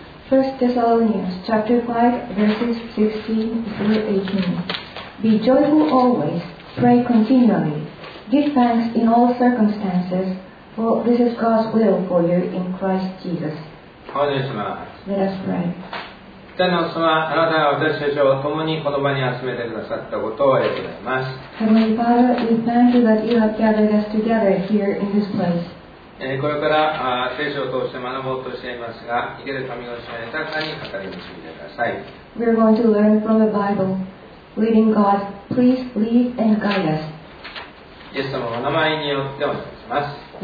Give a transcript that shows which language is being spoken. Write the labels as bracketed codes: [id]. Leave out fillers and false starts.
[en] 1 Thessalonians chapter 5 verses 16 through 18 Be joyful always, pray continually, give thanks in all circumstances, for this is God's will for you in Christ Jesus. [ja] お願いします。 [en] Let us pray. [ja] 天の様、あなたが私たちを共にこの場に集めてくださったことをありがとうございます。 [en] Heavenly Father, we thank you that you have gathered us together here in this place. [ja] これから聖書を通して学ぼうとしていますが、生ける神の教えを豊かに語り導いてください。 [en] We are going to learn from the Bible. Leading God, please lead and guide us. [ja] イエス様の名前によってお願いします。